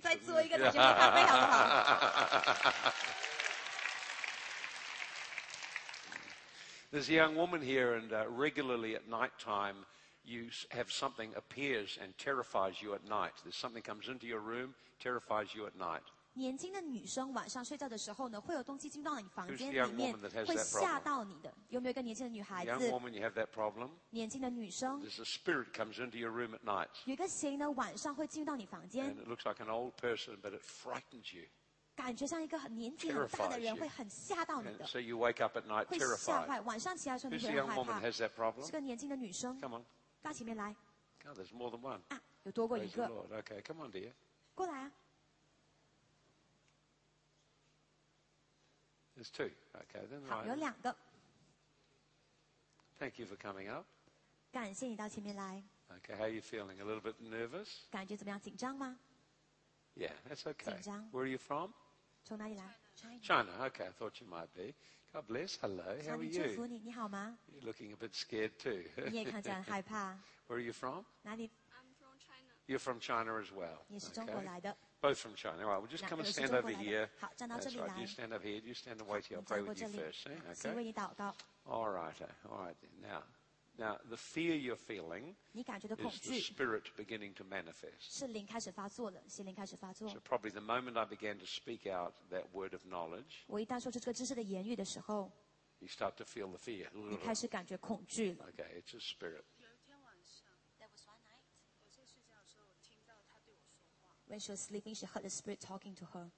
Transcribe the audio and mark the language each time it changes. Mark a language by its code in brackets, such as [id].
[zh] 再做一个，再去喝咖啡好不好？ [en] There's a young woman here, and regularly at night time,you have something appears and terrifies you at night. There's something comes into your room, terrifies you at night. [zh] 年轻的女生晚上睡觉的时候呢，会有东西进到你房间里面，会吓到你的。有没有一个年轻的女孩子 [en] ？Young woman, you have that problem. [zh] 年轻的女生。 [en] There's a spirit comes into your room at night. [zh] 有一个邪灵呢，晚上会进到你房间。 [en] And it looks like an old person, but it frightens you. [zh] 感觉像一个年纪很大的人，会很吓到你的。 [en] So you wake up at night terrified. [zh] 会吓坏，晚上起来的时候你会害怕。 [en] Young woman has that problem. [zh] 是个年轻的女生。 [en] Come on. [zh] 到前面来。 [en] God, there's more than one. [zh] 啊，有多过一个。 [en] Praise the Lord. Okay, come on, dear. [zh] 过来啊。 [en] There's two. Okay, then. [zh] 好，有两个。 [en] Thank you for coming up. [zh] 感谢你到前面来。 [en] Okay, how are you feeling? A little bit nervous? [zh] 感觉怎么样？紧张吗？ [en] Yeah, that's okay. [zh] 紧张。 [en] Where are you from? [zh] 从哪里来？ [en] China. China. Okay, I thought you might be. God bless. Hello. How are you? [zh] 祝福你，你好吗？ [en] You're looking a bit scared too. [zh] 你也看起来很害怕。 [en] Where are you from? [zh] 哪里？ [en] I'm from China. You're from China as well. [zh] 你是中国来的。 [en] Both from China. All right, we'll just come and stand over here. [zh] 好，站到这里来。 [en] Right. You stand up here. You stand and wait here. I'll pray with you first. Okay. [zh] 先为你祷告。 [en] All right. All right. Now, the fear you're feeling is the spirit beginning to manifest. [zh] 是灵开始发作了，邪灵开始发作。 [en] So probably the moment I began to speak out that word of knowledge, [zh] 我一旦说出这个知识的言语的时候， [en] you start to feel the fear. [zh] 你开始感觉恐惧了。 [en] Okay, it's a spirit. [zh] 有一天晚上， [en] that was one night. [zh] 我在睡觉的时候，我听到他对我说话。 [en] When she was sleeping, she heard the spirit talking to her.